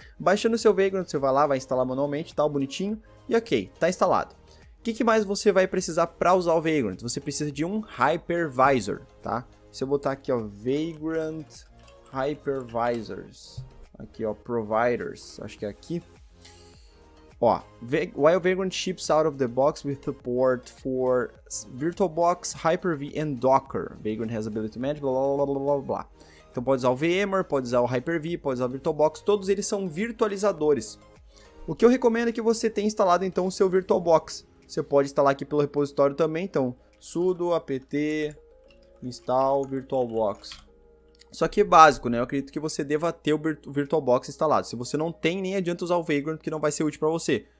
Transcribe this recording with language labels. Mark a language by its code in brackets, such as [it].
[pt] Baixando o seu Vagrant, você vai lá, vai instalar manualmente, tal, bonitinho, e ok, tá instalado. O que mais você vai precisar para usar o Vagrant? Você precisa de um hypervisor, tá? Se eu botar aqui, ó, Vagrant hypervisors, aqui, ó, providers, acho que é aqui. [en] Ó, while Vagrant ships out of the box with support for VirtualBox, Hyper-V and Docker, Vagrant has ability to manage, blá blá blá blá blá blá. [pt] Então pode usar o VMware, pode usar o Hyper-V, pode usar o VirtualBox, todos eles são virtualizadores. O que eu recomendo é que você tenha instalado então o seu VirtualBox. Você pode instalar aqui pelo repositório também, então sudo apt install VirtualBox. Só que é básico, né? Eu acredito que você deva ter o VirtualBox instalado. Se você não tem, nem adianta usar o Vagrant, que não vai ser útil para você.